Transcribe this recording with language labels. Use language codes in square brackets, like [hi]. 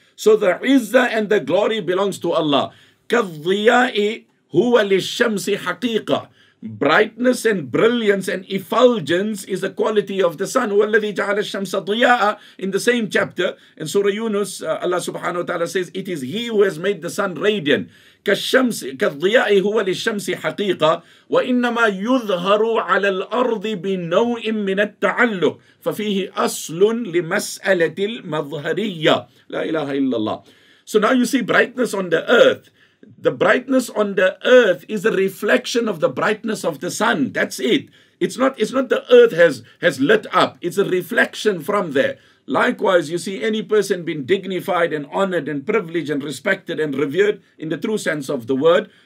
[en] So the izzah and the glory belongs to Allah. [ar] كَالضِّيَاءِ هُوَ لِلشَّمْسِ حَقِيقًا [en] Brightness and brilliance and effulgence is the quality of the sun. [ar] وَالَّذِي جَعَلَ الشَّمْسَ ضِيَاءً [en] In the same chapter, in Surah Yunus, Allah subhanahu wa ta'ala says, it is He who has made the sun radiant. [ar] كَالضِّيَاءِ هُوَ لِلشَّمْسِ حَقِيقًا وَإِنَّمَا يُظْهَرُ عَلَى الْأَرْضِ بِنَوْءٍ مِنَ التَّعَلُّقِ فَفِيهِ أَصْلٌ لِمَسْأَلَةِ الْمَظْهَرِيَّةِ لَا إِلَهَ إِلَّا اللَّهِ [en] So now you see brightness on the earth. The brightness on the earth is a reflection of the brightness of the sun. That's it. It's not the earth has lit up. It's a reflection from there. Likewise, you see any person being dignified and honored and privileged and respected and revered in the true sense of the word.